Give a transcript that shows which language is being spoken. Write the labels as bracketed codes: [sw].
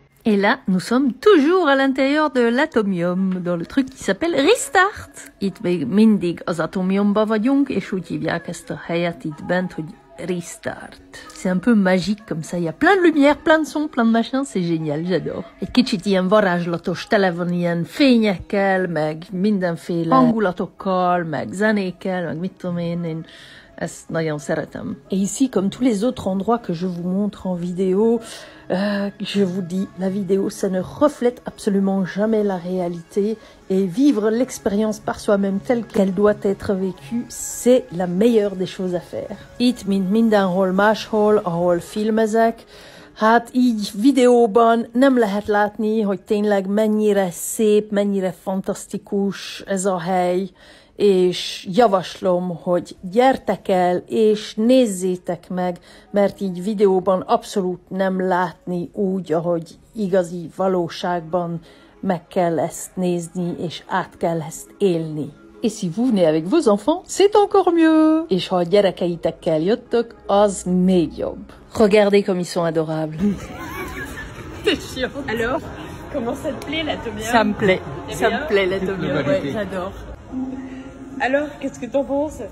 [fr] Et là, nous sommes toujours à l'intérieur de l'atomium, dans le truc qui s'appelle Restart. [hu] Itt még mindig az atomiumban vagyunk, és úgy hívják ezt a helyet itt bent, hogy Restart. [fr] C'est un peu magique comme ça, il y a plein de lumière, plein de sons, plein de machins, c'est génial, j'adore. [hu] Egy kicsit ilyen varázslatos tele van ilyen fényekkel, meg mindenféle hangulatokkal, meg zenékkel, meg mit tudom én. [fr] Et ici, comme tous les autres endroits que je vous montre en vidéo, je vous dis, la vidéo, ça ne reflète absolument jamais la réalité. Et vivre l'expérience par soi-même telle qu'elle doit être vécue, c'est la meilleure des choses à faire. [hu] Itt mint mindenhol máshol, ahol filmezek. Hát így videóban nem lehet látni, hogy tényleg mennyire szép, mennyire fantasztikus ez a hely. És javaslom, hogy gyertek el, és nézzétek meg, mert így videóban abszolút nem látni úgy, ahogy igazi valóságban meg kell ezt nézni, és át kell ezt élni. [fr] Et si vous venez avec vos enfants, c'est encore mieux. [hu] És ha a gyerekeitekkel jöttök, az még jobb. [fr] Regardez comme ils sont adorables. T'es chiant. Alors, comment ça te plaît, l'atomium? Ça me plaît. Ça me plaît, l'atomium. Ouais, j'adore. Alors, qu'est-ce que t'en penses?